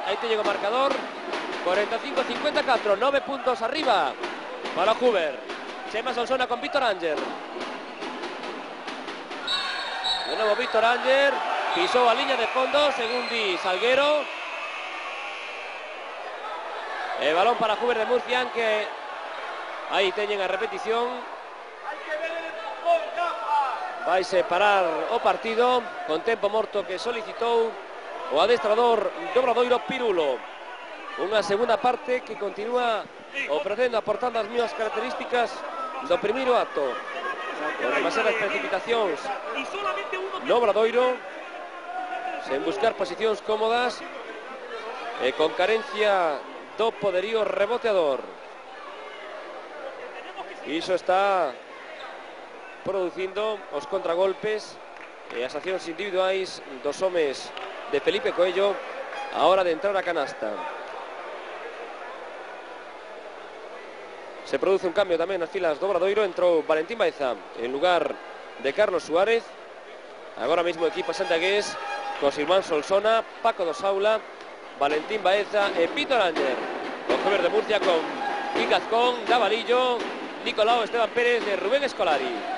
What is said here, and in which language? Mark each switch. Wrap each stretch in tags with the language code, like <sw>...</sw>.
<gl>Aí te llega o marcador, 45-54, 9 puntos arriba para Huber. Chema Solsona con Víctor Ánger. De novo Víctor Ánger. Pisou a liña de fondo, según di Salguero. E balón para Huber de Murcia, que aí teñen a repetición. Vai separar o partido con tempo morto que solicitou o adestrador do Obradoiro, Pirulo. Unha segunda parte que continúa ofrecendo, aportando as mesmas características do primeiro acto. Con demasiadas precipitacións no Obradoiro, sen buscar posicións cómodas e con carencia do poderío reboteador. Iso está producindo os contragolpes e as accións individuais dos homes de Felipe Coello a hora de entrar a canasta.</gl> <es>Se produce un cambio también en las filas de Obradoiro. Entró Valentín Baeza en lugar de Carlos Suárez. Ahora mismo equipo santiagués, con Silván Solsona, Paco Dosaula, Valentín Baeza y Pito Langer. Con Jover de Murcia, con Icazcón, Davalillo, Nicolau, Esteban Pérez y Rubén Escolari.</es>